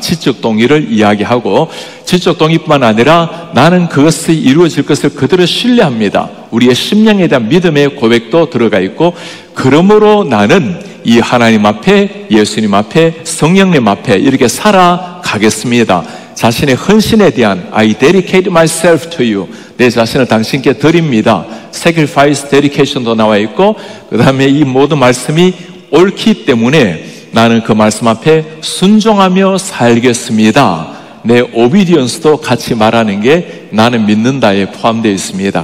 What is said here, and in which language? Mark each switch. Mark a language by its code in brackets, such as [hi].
[ko] 지적 동의를 이야기하고 지적 동의뿐만 아니라 나는 그것이 이루어질 것을 그대로 신뢰합니다. 우리의 심령에 대한 믿음의 고백도 들어가 있고 그러므로 나는 이 하나님 앞에, 예수님 앞에, 성령님 앞에 이렇게 살아가겠습니다. 자신의 헌신에 대한 [en] I dedicate myself to you. [ko] 내 자신을 당신께 드립니다. Sacrifice dedication도 나와 있고 그 다음에 이 모든 말씀이 옳기 때문에 나는 그 말씀 앞에 순종하며 살겠습니다. 내 obedience도 같이 말하는 게 나는 믿는다에 포함되어 있습니다.